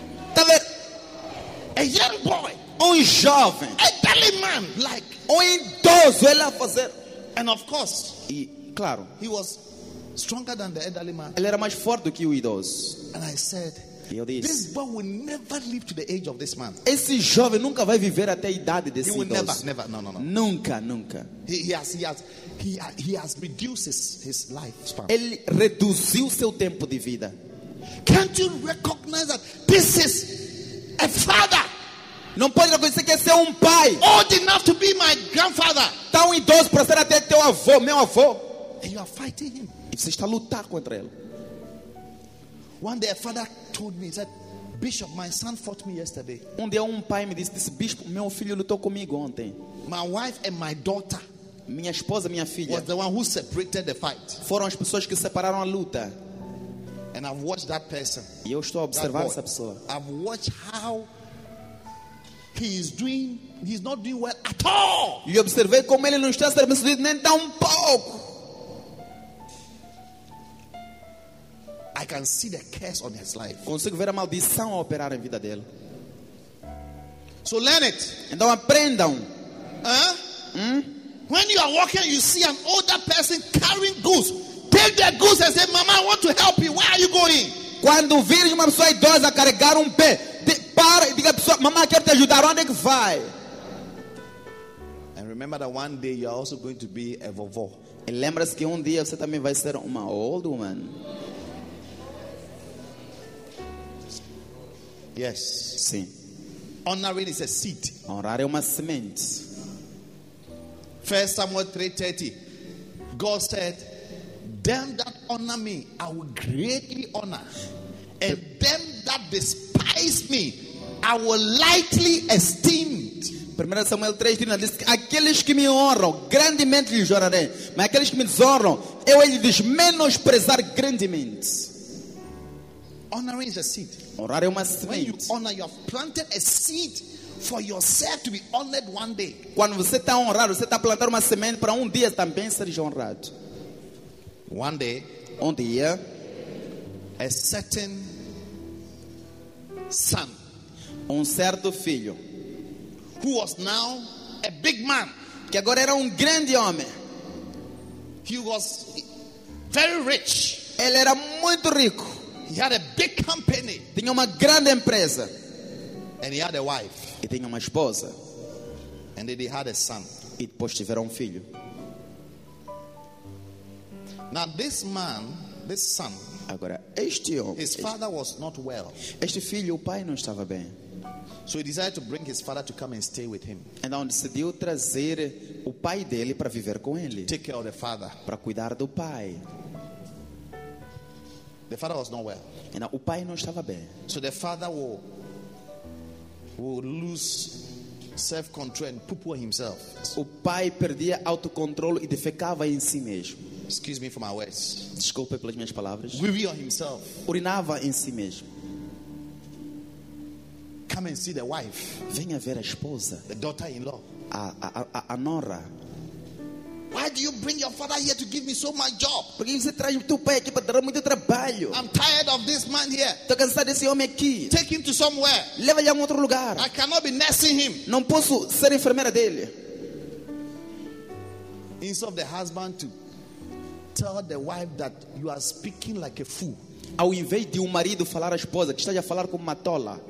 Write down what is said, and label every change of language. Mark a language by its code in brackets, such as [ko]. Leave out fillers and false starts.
[pt] estava [en] a young boy. [pt] Jovem. [en] A deadly man, like. [pt] Idoso, ele a fazer. [en] And of course, [pt] claro. [en] He was stronger than the elderly man. [pt] Ele era mais forte do que o idoso. [en] And I said, [pt] disse, [en] this boy will never live to the age of this man. [pt] Esse jovem nunca vai viver até a idade desse idoso. [en] He will never. No. [pt] Nunca. [en] He has reduced his lifespan. [pt] Ele reduziu seu tempo de vida. [en] Can't you recognize that this is a father? [pt] Não pode reconhecer que esse é pai. [en] Old enough to be my grandfather. [pt] Tão idoso para ser até teu avô, meu avô. [en] And you are fighting him. [pt] E você está a lutar contra ele. [en] One day a father told me, he said, Bishop, my son fought me yesterday. [pt] Um dia pai me disse, Bishop, meu filho lutou comigo ontem. [en] My wife and my daughter. [pt] Minha esposa e minha filha. [en] Was the one who separated the fight. [pt] Foram as pessoas que separaram a luta. [en] And I've watched that person. [pt] E eu estou a observar essa pessoa. [en] I've watched how he's not doing well at all. [pt] E observei como ele não está a ser bem-sucedido nem tão pouco. [en] I can see the curse on his life. [pt] Consigo ver a maldição a operar em vida dele. [en] So learn it. [pt] Então aprendam. [en] When you are walking, you see an older person carrying goods. Take the goods and say, Mama, I want to help you. Where are you going? [pt] Quando vires uma pessoa idosa a carregar pé, para e diga à pessoa, Mama, quero te ajudar. Onde que vai? [en] And remember that one day you are also going to be a [pt] vovó. E lembra-se que dia você também vai ser uma [en] old woman. Yes. [pt] Sim. [en] Honoring is a seed. [pt] Honrar é uma semente. [en] 1 Samuel 3:30. God said, them that honor me, I will greatly honor. And them that despise me, I will lightly esteem. [pt] 1 Samuel 3:30 diz que aqueles que me honram, grandemente lhes honrarei. Mas aqueles que me desonram, eu lhes menosprezar grandemente. [en] Honoring is a seed. [pt] Honrar é uma semente. [en] When you honor, you have planted a seed for yourself to be honored one day. [pt] Quando você está honrado, você está plantando uma semente para dia também ser honrado. [en] One day, [pt] dia, [en] a certain son, [pt] certo filho, [en] who was now a big man, [pt] que agora era grande homem, [en] he was very rich. [pt] Ele era muito rico. [en] He had a big company. [pt] Tinha uma grande empresa. [en] And he had a wife. [pt] E tinha uma esposa. [en] And then he had a son. [pt] E depois tiveram filho. [en] Now this man, this son, [pt] agora este homem, [en] his father was not well. [pt] Este filho, o pai não estava bem. [en] So he decided to bring his father to come and stay with him. [pt] Então decidiu trazer o pai dele para viver com ele. [en] To take care of the father. [pt] Para cuidar do pai. [en] The father was not well. And [pt] o pai não estava bem. [en] So the father will lose self-control and poo-poo himself. [pt] O pai perdia autocontrole e defecava em si mesmo. [en] Excuse me for my words. [pt] Desculpe pelas minhas palavras. Urinava [en] on himself. [pt] Urinava em si mesmo. [en] Come and see the wife. [pt] Venha ver a esposa. [en] The daughter-in-law. [pt] A nora. [en] Why do you bring your father here to give me so much job? [pt] Porque você traz o teu pai aqui para dar muito trabalho. [en] I'm tired of this man here. [pt] Estou cansado desse homem aqui. [en] Take him to somewhere. [pt] Leva-lhe a outro lugar. [en] I cannot be nursing him. [pt] Não posso ser enfermeira dele. [en] Instead of the husband to tell the wife that you are speaking like a fool. [pt] Ao invés de marido falar à esposa que está a falar como uma tola.